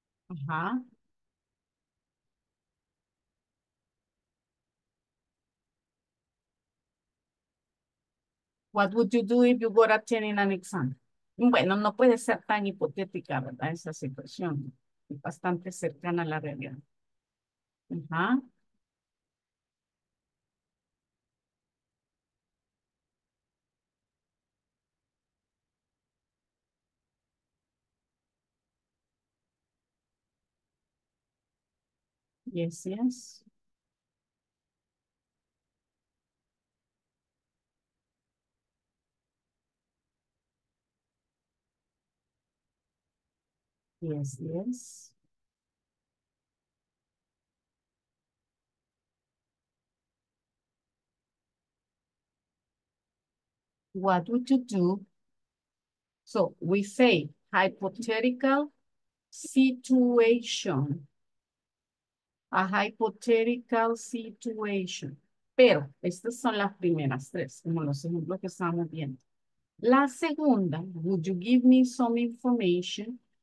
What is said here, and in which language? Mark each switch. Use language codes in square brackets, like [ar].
[en] Uh-huh. What would you do if you got a 10 in an exam? [es] Bueno, no puede ser tan hipotética, ¿verdad? Esa situación es bastante cercana a la realidad. [en] Yes. Yes. What would you do? So we say hypothetical situation. A hypothetical situation. [es] Pero estas son las primeras tres, como los ejemplos que estamos viendo. La segunda, [en] would you give me some information?